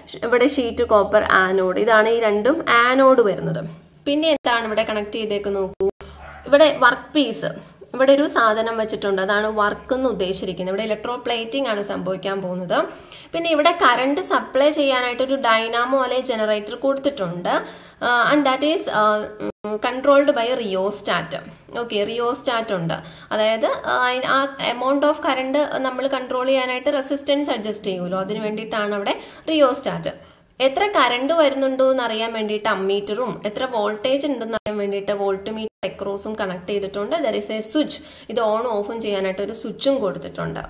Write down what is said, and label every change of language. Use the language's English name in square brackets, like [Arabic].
[Malayalam] ഇവിടെ sheet copper anode, ഇതാണ് ഈ രണ്ടും ആനോഡ് വരുന്നത്. പിന്നെ എന്താണ് ഇവിടെ കണക്ട് ചെയ്തേക്ക് നോക്കൂ, ഇവിടെ വർക്ക് പീസ്, ഇവിടെ ഒരു സാധനം വെച്ചിട്ടുണ്ട്, അതാണ് വർക്ക് എന്ന് ഉദ്ദേശിച്ചിരിക്കുന്നത്. ഇവിടെ ഇലക്ട്രോ പ്ലേറ്റിംഗ് ആണ് സംഭവിക്കാൻ പോകുന്നത്. പിന്നെ ഇവിടെ കറണ്ട് സപ്ലൈ ചെയ്യാനായിട്ട് ഒരു ഡൈനാമോ അല്ലെ ജനറേറ്റർ കൊടുത്തിട്ടുണ്ട്. [English] and that is controlled by a rheostat. [Malayalam] Okay rheostat ഉണ്ട്. അതായത് ആ എമൗണ്ട് ഓഫ് കറണ്ട് നമ്മൾ കൺട്രോൾ ചെയ്യാനായിട്ട് റെസിസ്റ്റൻസ് അഡ്ജസ്റ്റ് ചെയ്യുമല്ലോ, അതിന് വേണ്ടിയിട്ടാണ് അവിടെ റിയോസ്റ്റാറ്റ്. എത്ര കറണ്ട് വരുന്നുണ്ടോ എന്നറിയാൻ വേണ്ടിയിട്ട് അമ്മീറ്ററും എത്ര വോൾട്ടേജ് ഉണ്ടെന്ന് അറിയാൻ വേണ്ടിയിട്ട് വോൾട്ട് മീറ്റർ എക്രോസും കണക്ട് ചെയ്തിട്ടുണ്ട്. [English] there is a switch, [Malayalam] ഇത് ഓൺ ഓഫും ചെയ്യാനായിട്ട് ഒരു സ്വിച്ചും കൊടുത്തിട്ടുണ്ട്.